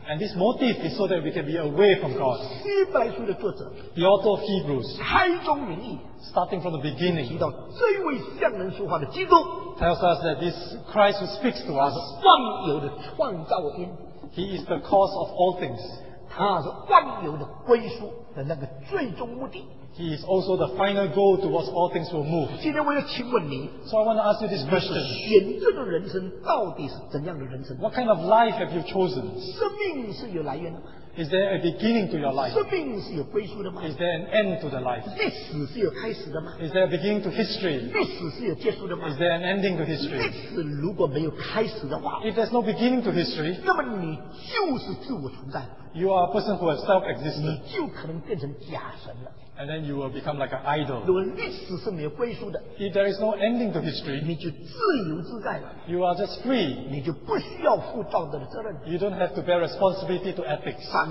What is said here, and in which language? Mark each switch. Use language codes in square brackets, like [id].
[en] and this motive is so that we can be away from God. [zh] 希伯来书的作者, [en] the author of Hebrews, [zh] 开宗明义, [en] starting from the beginning, [zh] 提到这位向人说话的基督, [en] tells us that this Christ who speaks to us, [zh] 万有的创造因, [en] he is the cause of all things. [zh] 他是万有的归宿的那个最终目的。 [en] He is also the final goal towards all things will move. [zh] 今天我要请问你, [en] so I want to ask you this question. [zh] 选择的人生到底是怎样的人生? [en] What kind of life have you chosen? [zh] 生命是有来源的吗? [en] Is there a beginning to your life? [zh] 生命是有归宿的吗? [en] Is there an end to the life? [zh] 历史是有开始的吗? [en] Is there a beginning to history? [zh] 历史是有结束的吗? [en] Is there an ending to history? [zh] 历史如果没有开始的话, [en] if there's no beginning to history, [zh] 那么你就是自我存在。 [en] You are a person who has self-existed. [zh] 你就可能变成假神了。 [en] And then you will become like an idol. [zh] 如果历史是没有归宿的, [en] if there is no ending to history, [zh] 你就自由自在了, [en] you are just free. [zh] 你就不需要负道德的责任, [en] you don't have to bear responsibility to ethics.